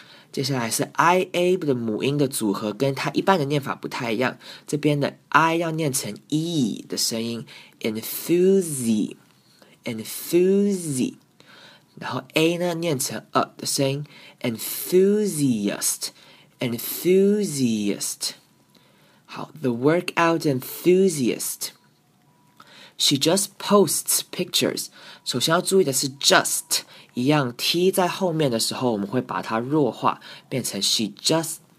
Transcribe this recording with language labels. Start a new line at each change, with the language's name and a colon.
Chinese: 接下来是 IA 的母音的组合跟它一般的念法不太一样，这边的 I 要念成 E 的声音 enthusi, 然后 A 呢念成 U 的声音 enthusiast。好
English: The workout enthusiast. She just posts pictures.
Chinese: 首先要注意的是 just一样 T 在后面的时候我们会把它弱化变成
English: she just